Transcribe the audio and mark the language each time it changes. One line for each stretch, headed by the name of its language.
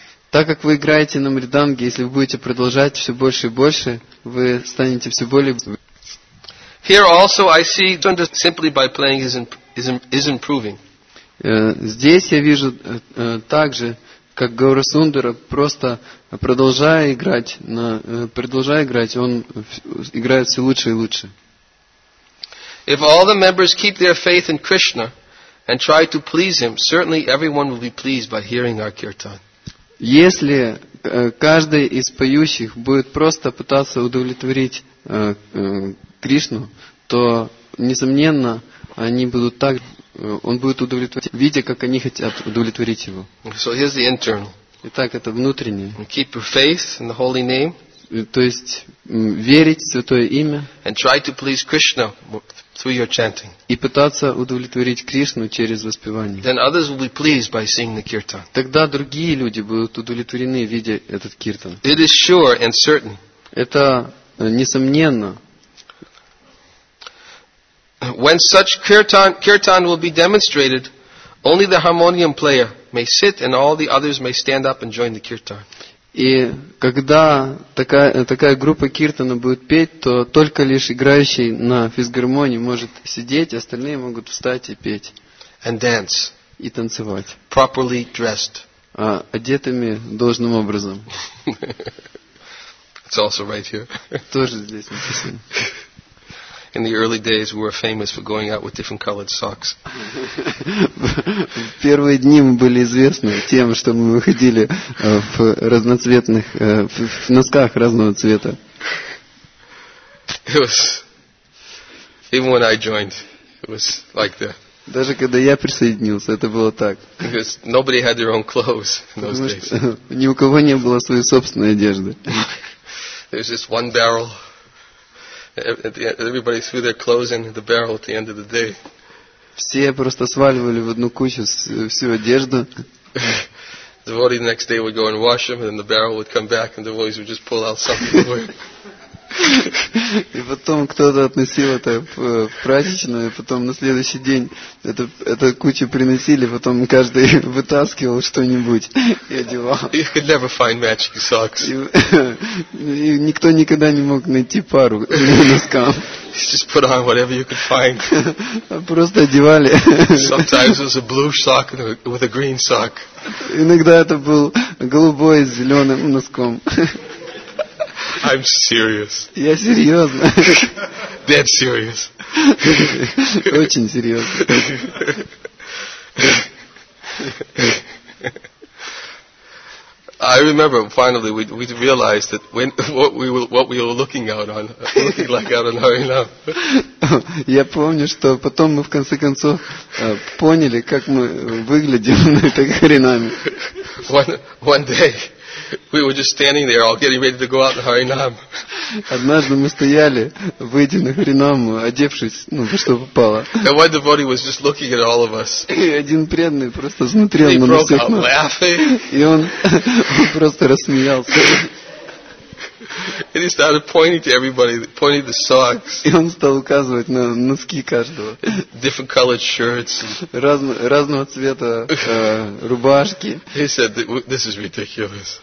Russian: Так как вы играете на мриданге, если вы будете продолжать все больше и больше, вы станете все более.
English: Here also I see simply by playing is improving.
Russian: Здесь я вижу также, как Гаурасундара просто продолжая играть, он играет все лучше и лучше.
English: If all the members keep their faith in Krishna and try to please him, certainly everyone will be pleased by hearing our kirtan.
Russian: Если каждый из поющих будет просто пытаться удовлетворить Кришну, то, несомненно, они будут так, он будет удовлетворить, видя, как они хотят удовлетворить его.
English: So here's the internal.
Russian: Итак, это внутреннее.
English: Keep your faith in the holy name.
Russian: То есть верить в святое имя.
English: And try to please Krishna through your chanting.
Russian: И пытаться удовлетворить Кришну через воспевание.
English: Then others will be pleased by seeing the kirtan.
Russian: Тогда другие люди будут удовлетворены, видя этот киртан.
English: It is sure and certain.
Russian: Это несомненно.
English: When such kirtan will be demonstrated, only the harmonium player may sit and all the others may stand up and join the kirtan.
Russian: И когда такая группа киртана будет петь, то только лишь играющий на физгармонии может сидеть, остальные могут встать и петь.
English: And dance.
Russian: И танцевать.
English: Properly dressed.
Russian: Одетыми должным образом.
English: It's also right here.
Russian: Тоже здесь написано.
English: In the early days, we were famous for going out with different colored socks.
Russian: В первые дни мы были известны тем, что мы выходили в разноцветных носках разного цвета.
English: It was even when I joined, it was like that.
Russian: Даже когда я присоединился, это было так.
English: Because nobody had their own clothes in those days.
Russian: Ни у кого не было своей собственной одежды.
English: There's just one barrel. Everybody threw their clothes in the barrel at the end of the day.
Russian: Все просто сваливали в одну кучу всю одежду.
English: The devotee the next day would go and wash them, and then the barrel would come back, and the devotees would just pull out something.
Russian: И потом кто-то относил это в прачечную, и потом на следующий день эту кучу приносили, потом каждый вытаскивал что-нибудь и одевал.
English: You could never find matching socks.
Russian: И никто никогда не мог найти пару носкам.
English: Just put on whatever you could find.
Russian: Просто одевали.
English: Sometimes it was a blue sock with a green sock.
Russian: Иногда это был голубой с зеленым носком.
English: I'm serious.
Russian: Я серьезно.
English: Dead serious.
Russian: Очень серьезно.
English: I remember finally we realized that when what we were looking out on looking like out on Haranam.
Russian: Я помню, что потом мы в конце концов поняли, как мы выглядим на этой Харинаме.
English: One day we were just standing there all getting ready to go out on Haranam.
Russian: Однажды мы стояли, выйдя на Харинаму, одевшись, ну, что попало.
English: And one devotee was just looking at all of us.
Russian: И один преданный просто смотрел на нас всех.
English: Laughing.
Russian: И он просто рассмеялся.
English: And he started pointing to everybody, pointing the socks.
Russian: И он стал указывать на носки каждого.
English: Different colored shirts.
Russian: Разного цвета рубашки.
English: He said, "This is ridiculous."